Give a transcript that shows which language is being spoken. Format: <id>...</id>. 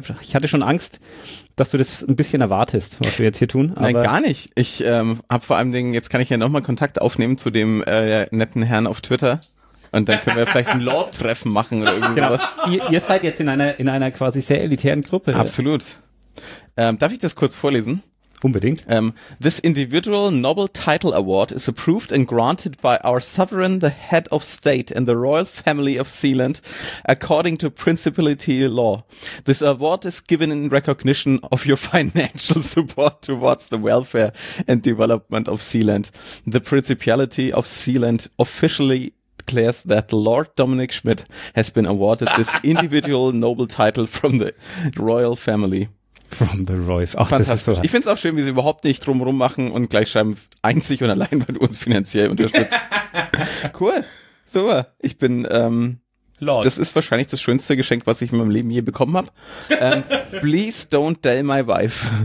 <de>Ich hatte schon Angst, dass du das ein bisschen erwartest, was wir jetzt hier tun. Aber nein, gar nicht. Ich habe vor allen Dingen, jetzt kann ich ja nochmal Kontakt aufnehmen zu dem netten Herrn auf Twitter. Und dann können wir vielleicht ein Lord-Treffen machen oder irgendwas. Genau. Ihr seid jetzt in einer quasi sehr elitären Gruppe. Absolut. Darf ich das kurz vorlesen? Unbedingt.</de> <en>This individual noble title award is approved and granted by our sovereign, the head of state and the royal family of Sealand, according to principality law. This award is given in recognition of your financial support towards the welfare and development of Sealand. The principality of Sealand officially declares that Lord Dominic Schmidt has been awarded this individual noble title from the royal family. From the royal family.</en> <de>Fantastisch. Ich finde es auch schön, wie sie überhaupt nicht drumherum machen und gleich schreiben, einzig und allein, weil du uns finanziell unterstützt. Cool. Super. Ich bin,</de> <en>Lord.</en> <de>Das ist wahrscheinlich das schönste Geschenk, was ich in meinem Leben je bekommen habe.</de> <en>please don't tell my wife.</en>